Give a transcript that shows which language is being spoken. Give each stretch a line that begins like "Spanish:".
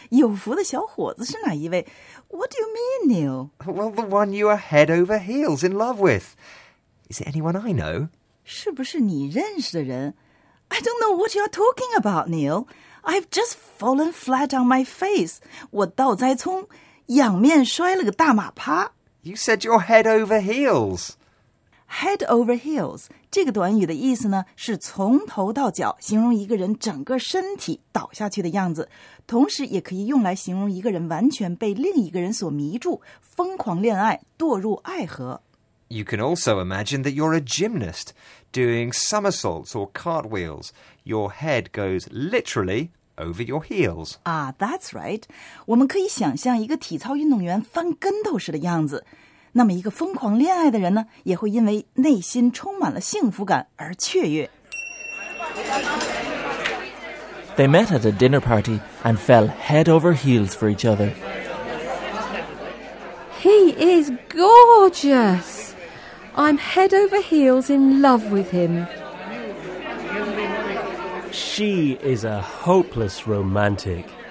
Chinese: 有福的小伙子是哪一位?
English: What do you mean, Neil? Well, the one you are head over heels in love with. Is it anyone I know?
Chinese: 是不是你认识的人?
English: I don't know what you're talking about, Neil. I've just fallen flat on my face.
Chinese: 我倒栽葱,仰面摔了个大马趴。
English: You said you're head over heels. Head over heels,
Chinese: 这个短语的意思呢, 是从头到脚, 形容一个人整个身体倒下去的样子, 同时也可以用来形容一个人完全被另一个人所迷住, 疯狂恋爱, 堕入爱河。
English: You can also imagine that you're a gymnast, doing somersaults or cartwheels. Your head goes literally over your heels. Ah, that's right.
Chinese: 我们可以想象一个体操运动员翻跟头似的样子, 那么一个疯狂恋爱的人呢, 也会因为内心充满了幸福感而雀跃。
English: They met at a dinner party and fell head over heels for each other. He is gorgeous! I'm head over heels in love with him. She is a hopeless romantic.